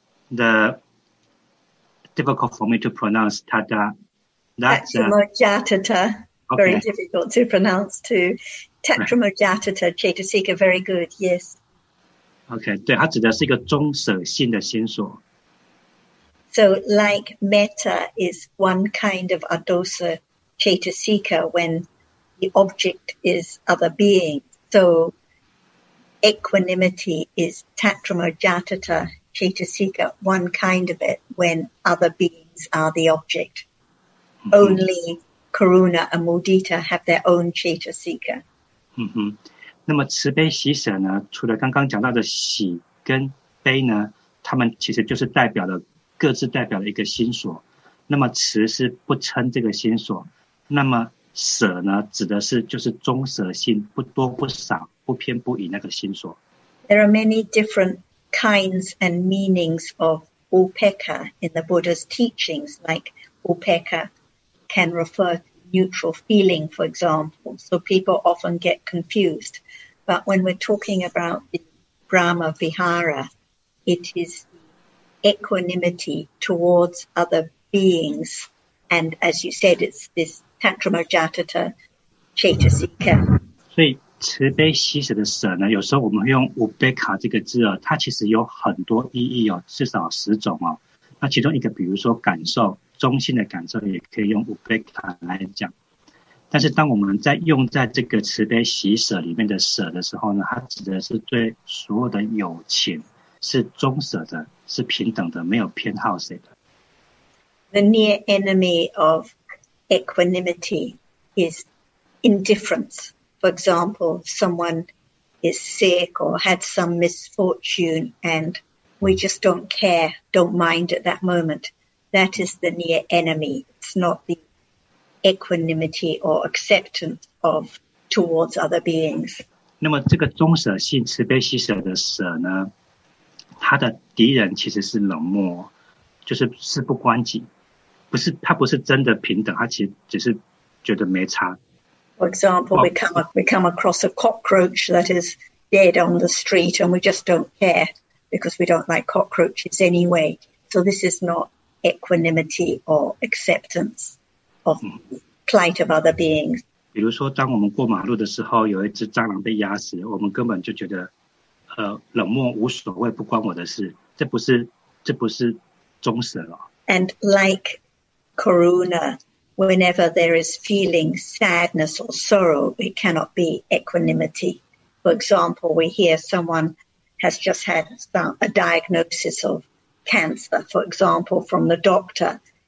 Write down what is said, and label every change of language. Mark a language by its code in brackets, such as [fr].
[en] The difficult for me to pronounce tada. Tatramojatata. Very difficult to pronounce too. Tatramojatata cittasika. Very good. Yes. Okay. [zh] 对，它指的是一个中舍心的心所。 [en] So like metta is one kind of adosa chaitasika when the object is other being. So equanimity is tatramojatata chaitasika, one kind of it when other beings are the object. Mm-hmm. Only karuna and mudita have their own chaitasika. Mm-hmm. [zh] 那么慈悲喜舍呢，除了刚刚讲到的喜跟悲呢，他们其实就是代表了各自代表了一个心所，那么慈是不称这个心所，那么舍呢，指的是就是中舍心，不多不少，不偏不倚那个心所。 [en] There are many different kinds and meanings of upekkha in the Buddha's teachings, like upekkha can refer to neutral feeling, for example, so people often get confused. But when we're talking about the Brahma Vihara, it isequanimity towards other beings, and as you said, it's this tatramojatata chaitasika. [zh] 所以慈悲喜舍的舍呢，有时候我们会用 upekkha 这个字啊，它其实有很多意义哦，至少十种哦。那其中一个，比如说感受，中性的感受也可以用 upekkha 来讲。但是当我们在用在这个慈悲喜舍里面的舍的时候呢，它指的是对所有的友情。是中舍的，是平等的，没有偏好谁的。 [en] The near enemy of equanimity is indifference. For example, if someone is sick or had some misfortune and we just don't care, don't mind at that moment. That is the near enemy. It's not the equanimity or acceptance of towards other beings. [zh] 那么这个忠舍性慈悲喜舍的舍呢，他的敌人其实是冷漠，就是事不关己，不是他不是真的平等，他其实只是觉得没差。 [en] For example, we come across a cockroach that is dead on the street, and we just don't care because we don't like cockroaches anyway. So this is not equanimity or acceptance of the plight of other beings. [zh] 比如说，当我们过马路的时候，有一只蟑螂被压死，我们根本就觉得，冷漠无所谓，不关我的事。这不是忠舍了。 [en] And like Karuna, whenever there is feeling sadness or sorrow, it cannot be equanimity. For example, we hear someone has just had a diagnosis of cancer, for example, from the doctor.